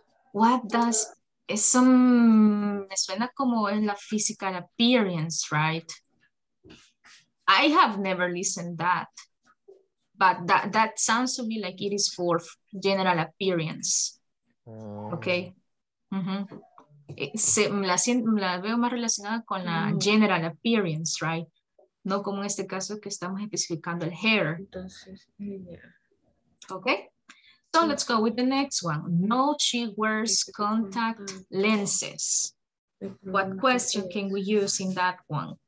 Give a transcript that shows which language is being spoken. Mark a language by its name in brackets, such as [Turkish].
[English] What does [Spanish] eso me suena como en la physical appearance, right? [English] I have never listened that, but that sounds to me like it is for general appearance. Okay. Mm-hmm. [Spanish] La veo más relacionada con la general appearance, right? No como en este caso que estamos especificando el hair. Entonces, yeah. [English] Okay, so let's go with the next one. No, she wears contact lenses. What question can we use in that one?